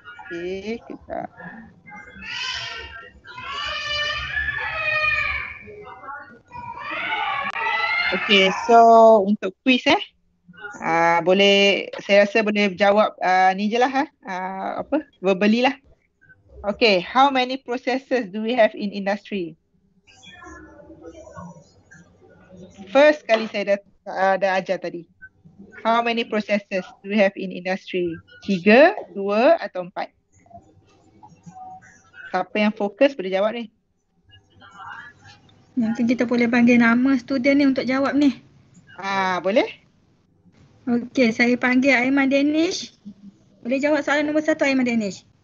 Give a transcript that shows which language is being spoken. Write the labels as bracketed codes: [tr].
[ms] Okay, kita... Okay, so untuk quiz boleh, saya rasa boleh jawab ni je lah verbally lah. [en] Okay, how many processes do we have in industry? [ms] First kali saya dah ajar tadi. [en] How many processes do we have in industry? [ms] 3, 2 atau 4? Siapa yang fokus boleh jawab ni? Nanti kita boleh panggil nama student ni untuk jawab ni. Boleh. Okey, saya panggil Aiman Danish. Boleh jawab soalan nombor 1 Aiman Danish?